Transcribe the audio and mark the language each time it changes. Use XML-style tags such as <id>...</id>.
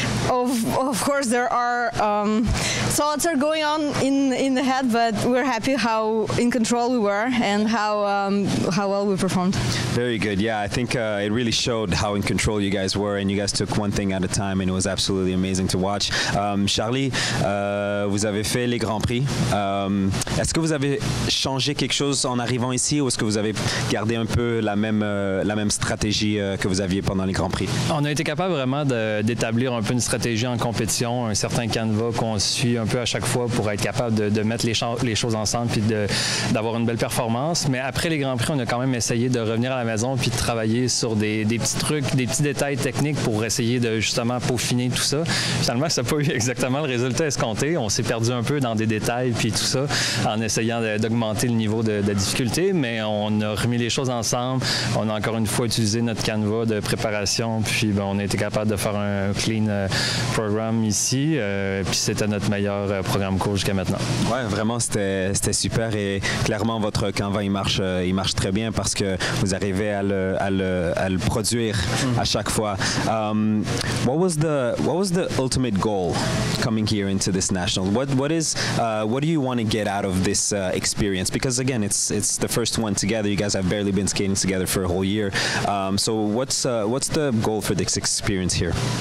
<en>Of course, there are thoughts are going on in the head, but we're happy how in control we were and how well we performed. Very good. Yeah, I think it really showed how in control you guys were, and you guys took one thing at a time, and it was absolutely amazing to watch.</en> <fr>Charlie, vous avez fait les Grands Prix. Est-ce que vous avez changé quelque chose en arrivant ici, ou est-ce que vous avez gardé un peu la même stratégie que vous aviez pendant les Grands Prix? On a été capable vraiment d'établir un peu une stratégie en compétition, un certain canevas qu'on suit un peu à chaque fois pour être capable de mettre les choses ensemble puis d'avoir une belle performance. Mais après les Grands Prix, on a quand même essayé de revenir à la maison puis de travailler sur des petits trucs, des petits détails techniques pour essayer de justement peaufiner tout ça. Finalement, ça n'a pas eu exactement le résultat escompté. On s'est perdu un peu dans des détails puis tout ça en essayant d'augmenter le niveau de difficulté, mais on a remis les choses ensemble. On a encore une fois utilisé notre canevas de préparation puis ben, on a été capable de faire un clean programme ici, puis c'était notre meilleur programme court jusqu'à maintenant. Ouais, vraiment, c'était super, et clairement, votre canevas, il marche très bien parce que vous arrivez à le produire à chaque fois.</fr> <en>What was the ultimate goal coming here into this national? What do you want to get out of this experience? Because again, it's the first one together. You guys have barely been skating together for a whole year. So what's the goal for this experience here?</en>